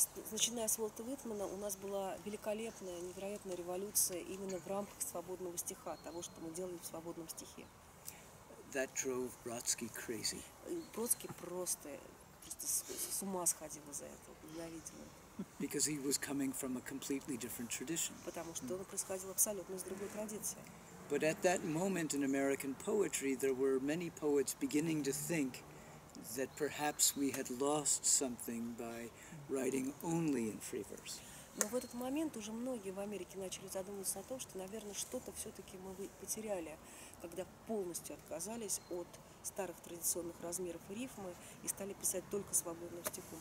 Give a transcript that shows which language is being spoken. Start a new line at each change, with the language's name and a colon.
Russian: Начиная с Уолта Уитмана, у нас была великолепная, невероятная революция именно в рамках свободного стиха, того, что мы делали в свободном стихе.
English: That drove Brodsky crazy.
Russian: Бродский просто с ума сходил из-за этого, ненавидел это.
English: because he was coming from a completely different tradition.
Russian: Потому что он происходил абсолютно из другой традиции.
English: But at that moment in American poetry, there were many poets beginning to think that perhaps we had lost something by writing only in free verse.
Russian: Но в этот момент уже многие в Америке начали задумываться о том, что, наверное, что-то все-таки мы потеряли, когда полностью отказались от старых традиционных размеров рифмы и стали писать только свободным стихом.